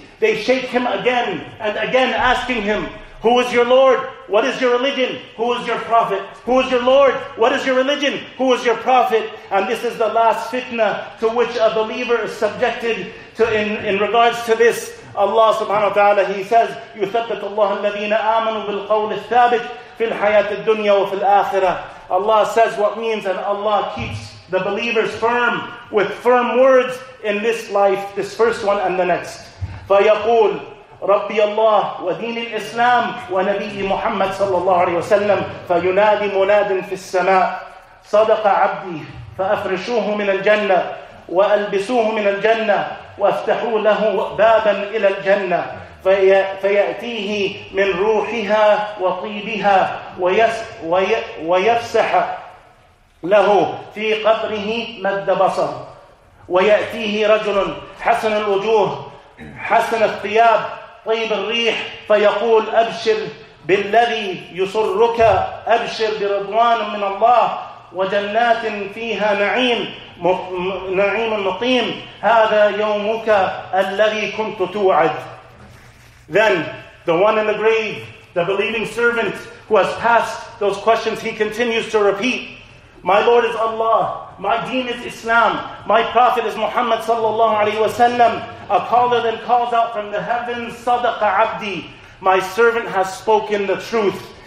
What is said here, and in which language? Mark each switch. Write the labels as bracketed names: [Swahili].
[English] They shake him again and again, asking him, who is your Lord? What is your religion? Who is your prophet? Who is your Lord? What is your religion? Who is your prophet? And this is the last fitna to which a believer is subjected to in regards to this. Allah subhanahu wa ta'ala, he says, [Arabic] يُثَبَّتُ اللَّهُ الَّذِينَ آمَنُوا بِالْقَوْلِ الثَّابِتِ فِي الْحَيَاةِ الدُّنْيَا وَفِي الْآخِرَةِ. [English] Allah says what means that Allah keeps the believers firm with firm words in this life, this first one and the next. [Arabic] فَيَقُولُ ربي الله ودين الإسلام ونبي محمد صلى الله عليه وسلم فينادي مناد في السماء صدق عبدي فأفرشوه من الجنة وألبسوه من الجنة وافتحوا له بابا إلى الجنة فيأتيه من روحها وطيبها ويفسح له في قبره مد بصر ويأتيه رجل حسن الوجوه حسن الثياب طيب الريح فيقول أبشر بالذي يسرك أبشر برضوان من الله وجنات فيها نعيم نعيم مقيم هذا يومك الذي كنت توعد. [English] Then the one in the grave, the believing servant who has passed those questions, he continues to repeat, my Lord is Allah, my deen is Islam, my prophet is Muhammad sallallahu alayhi wa sallam. A caller then calls out from the heavens, [Arabic] Sadaqa abdi, [English] my servant has spoken the truth.